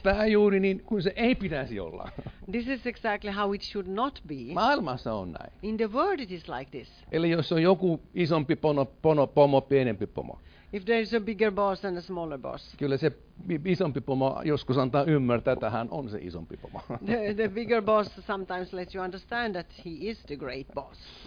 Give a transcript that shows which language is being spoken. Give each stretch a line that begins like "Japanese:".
Finnish: Tämä juuri niin kuin se ei pitäisi olla.
English: This is exactly how it should not be.
Finnish: Maailmassa on näin.
English: In the world it is like this.
Finnish: Eli jos on joku isompi pomo, pienempi pomo.
English: If there is a bigger boss and a smaller boss.
Finnish: Kyllä se isompi pomo joskus antaa ymmärtää, että hän on se isompi pomo.
English: The bigger boss sometimes lets you understand that he is the great boss.